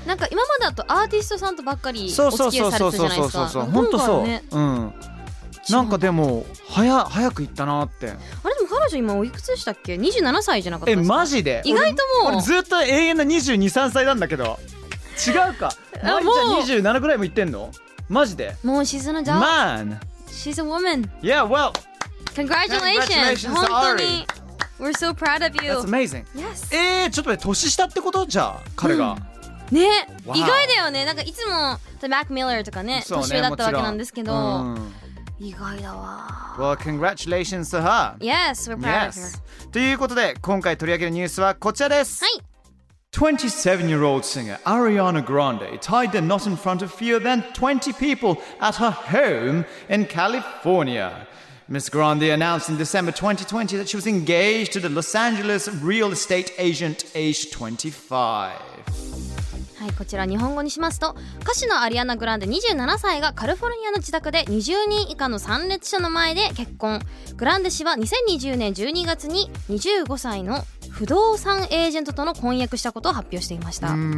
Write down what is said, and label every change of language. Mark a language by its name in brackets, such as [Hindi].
[Japanese] なんか今までだとアーティストさんとばっかりお付き合いされてたじゃないですか。本当そう、うん、なんかでも早く行ったなって。あれでも彼女今おいくつでしたっけ？ 27歳じゃなかったですか？え、マジで？意外ともう俺ずっと永遠な22、3歳なんだけど。違うか、マリちゃん27ぐらいも行ってんの？マジで？もう [English] she's an adult man. She's a woman. Yeah, well, congratulations. [Japanese] 本当に [English] We're so proud of you. That's amazing. Yes. [Japanese] ちょっと待って、年下ってことじゃあ彼が、うん、ね、wow. 意外だよね。なんかいつもマック・ミラーとかね、そうね、年上だったわけなんですけど、うん、意外だわ。 [English] Well, congratulations to her. Yes, we're proud、yes. of her. [Japanese] ということで今回取り上げるニュースはこちらです。はい。 [English] 27-year-old singer Ariana Grande tied the knot in front of fewer than 20 people at her home in CaliforniaMs. Grande announced in December 2020 that she was engaged to the Los Angeles real estate agent aged 25. [Japanese] はい、こちら日本語にしますと、歌手のアリアナ・グランデ27歳がカリフォルニアの自宅で20人以下の参列者の前で結婚。グランデ氏は2020年12月に25歳の不動産エージェントとの婚約したことを発表していました。